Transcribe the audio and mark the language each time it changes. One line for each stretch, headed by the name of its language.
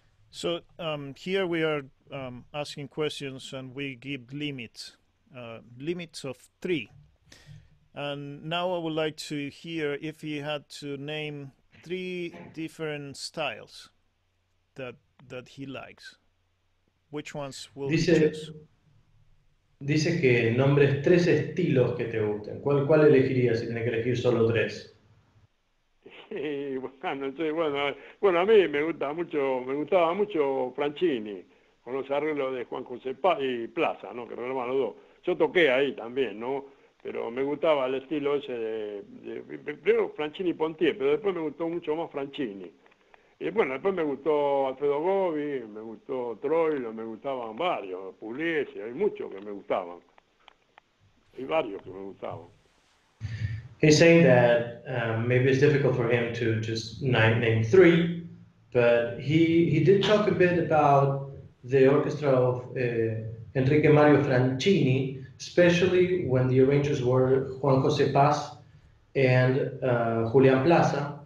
English: So here we are asking questions, and we give limits of three. And now I would like to hear if he had to name three different styles that he likes. Which ones will
Spanish: dice,
English: he choose?
Spanish: Dice que nombres tres estilos que te gusten. ¿Cuál elegirías si tienes que elegir solo tres? Bueno, a mí me gustaba mucho Franchini, con los arreglos de Juan José Paz y Plaza, ¿no? Que regalaban los dos. Yo toqué ahí también, ¿no? Pero me gustaba el estilo ese de primero Franchini y Pontier, pero después me gustó mucho más Franchini. Y bueno, después me gustó Alfredo Gobi, me gustó Troilo, me gustaban varios, Pugliese, hay muchos que me gustaban. Hay varios que me gustaban.
English: He's saying that maybe it's difficult for him to just name three, but he did talk a bit about the orchestra of Enrique Mario Franchini, especially when the arrangers were Juan José Paz and Julián Plaza.